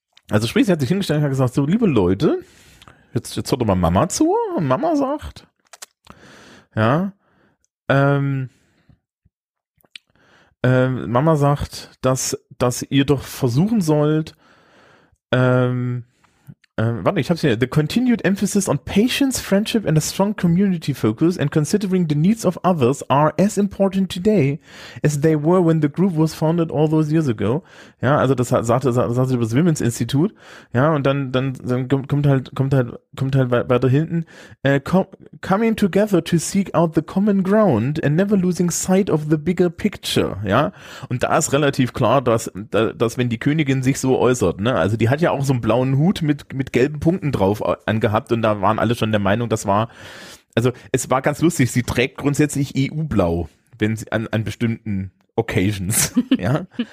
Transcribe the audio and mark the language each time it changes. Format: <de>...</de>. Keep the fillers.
<de>Also sprich, sie hat sich hingestellt und hat gesagt, so liebe Leute, jetzt, jetzt hört doch mal Mama zu. Mama sagt, ja, ähm, äh, Mama sagt, dass, dass ihr doch versuchen sollt, ähm, ähm, warte, ich hab's hier.</de> <en>The continued emphasis on patience, friendship and a strong community focus and considering the needs of others are as important today as they were when the group was founded all those years ago.</en> <de>Ja, also das sagte sagte sagt über sagt, sagt das Women's Institute. Ja, und dann dann dann kommt halt kommt halt kommt halt weiter hinten.</de> <en>Uh, coming together to seek out the common ground and never losing sight of the bigger picture.</en> <de>Ja, und da ist relativ klar, dass dass, dass wenn die Königin sich so äußert, ne, also die hat ja auch so einen blauen Hut mit mit gelben Punkten drauf angehabt und da waren alle schon der Meinung, das war, also es war ganz lustig, sie trägt grundsätzlich EU-Blau, wenn sie an, an, bestimmten Occasions, ja.</de>